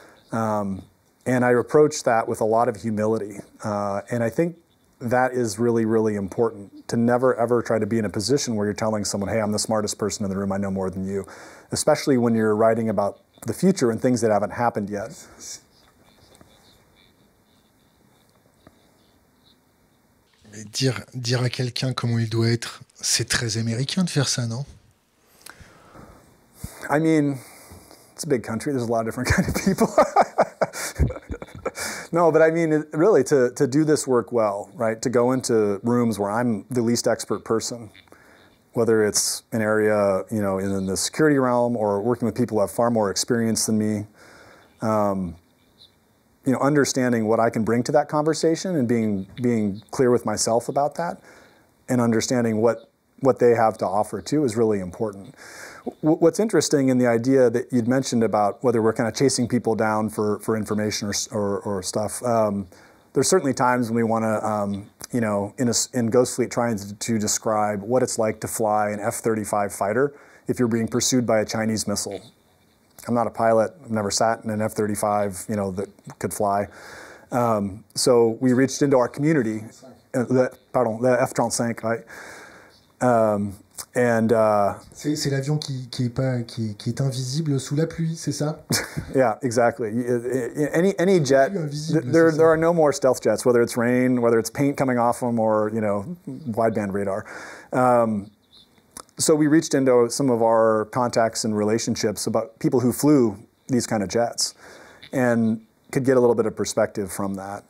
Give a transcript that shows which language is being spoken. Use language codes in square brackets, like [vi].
[en] And I approach that with a lot of humility. And I think that is really, really important to never, ever try to be in a position where you're telling someone, hey, I'm the smartest person in the room. I know more than you, especially when you're writing about the future and things that haven't happened yet. [fr] Mais dire à quelqu'un comment il doit être, c'est très américain de faire ça, non? [en] I mean, it's a big country. There's a lot of different kind of people. No, but I mean, really, to do this work well, right, to go into rooms where I'm the least expert person, whether it's an area, you know, in the security realm or working with people who have far more experience than me, you know, understanding what I can bring to that conversation and being clear with myself about that and understanding what they have to offer, too, is really important. What's interesting in the idea that you'd mentioned about whether we're kind of chasing people down for information or stuff, there's certainly times when we want to, you know, in Ghost Fleet trying to describe what it's like to fly an F-35 fighter if you're being pursued by a Chinese missile. I'm not a pilot. I've never sat in an F-35, you know, that could fly. So we reached into our community, the F-35, right? [fr] C'est l'avion qui est invisible sous la pluie, c'est ça? [en] Yeah, exactly. Any jet, there are no more stealth jets, whether it's rain, whether it's paint coming off them, or, you know, wideband radar. So we reached into some of our contacts and relationships about people who flew these kind of jets and could get a little bit of perspective from that.